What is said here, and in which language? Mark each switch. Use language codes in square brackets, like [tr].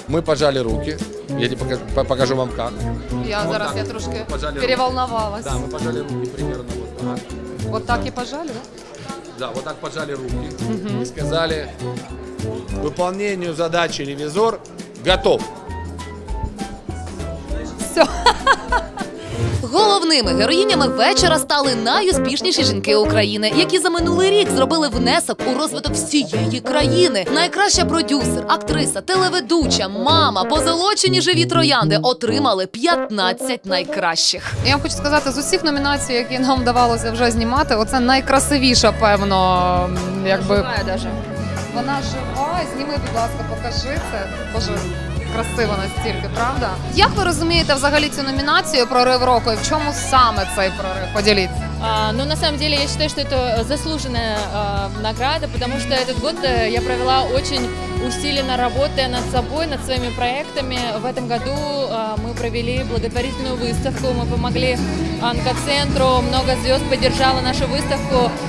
[ru] Мы пожали руки, я тебе покажу вам как. Я трошки переволновалась. Да, мы пожали руки примерно вот так. Вот так и пожали, да? Да, вот так поджали руки и сказали: к выполнению задачи «Ревизор» готов. Все. [uk] Головними героїнями вечора стали найуспішніші жінки України, які за минулий рік зробили внесок у розвиток всієї країни. Найкраща продюсер, актриса, телеведуча, мама, позолочені живі троянди отримали 15 найкращих. Я хочу сказати, з усіх номінацій, які нам вдавалося вже знімати, оце найкрасивіша, певно, якби... Живає даже. Вона жива, зніми, будь ласка, покажи це. Боже. Красиво настільки, правда? Як ви розумієте взагалі цю номінацію «Прорив року» і в чому саме цей прорив? Поділіться. [ru] Ну, на самом деле, я считаю, что это заслуженная награда, потому что этот год я провела очень усиленно, работая над собой, над своими проектами. В этом году мы провели благотворительную выставку, мы помогли онкоцентру, много звезд поддержало нашу выставку.